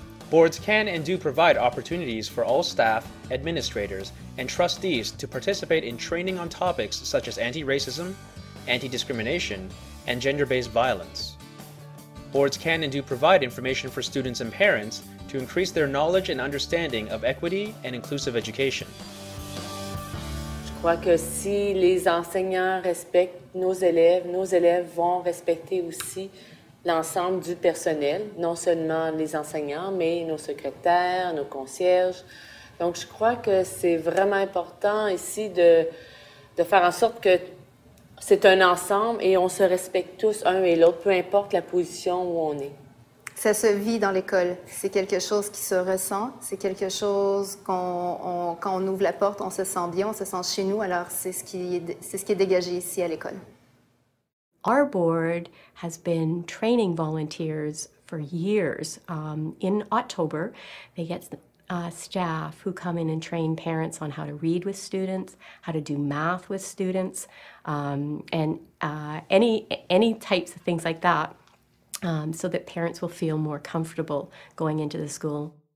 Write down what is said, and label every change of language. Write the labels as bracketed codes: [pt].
[en] Boards can and do provide opportunities for all staff, administrators, and trustees to participate in training on topics such as anti-racism, anti-discrimination, and gender-based violence. Boards can and do provide information for students and parents to increase their knowledge and understanding of equity and inclusive education. [fr] Je crois que si les enseignants respectent nos élèves vont respecter aussi l'ensemble du personnel, non seulement les enseignants, mais nos secrétaires, nos concierges. Donc, je crois que c'est vraiment important ici de faire en sorte que c'est un ensemble et on se respecte tous, un et l'autre, peu importe la position où on est. Ça se vit dans l'école. C'est quelque chose qui se ressent. C'est quelque chose quand on ouvre la porte, on se sent bien, on se sent chez nous. Alors, c'est ce qui est dégagé ici à l'école. [en] Our board has been training volunteers for years. In October, they get staff who come in and train parents on how to read with students, how to do math with students, and any types of things like that, so that parents will feel more comfortable going into the school.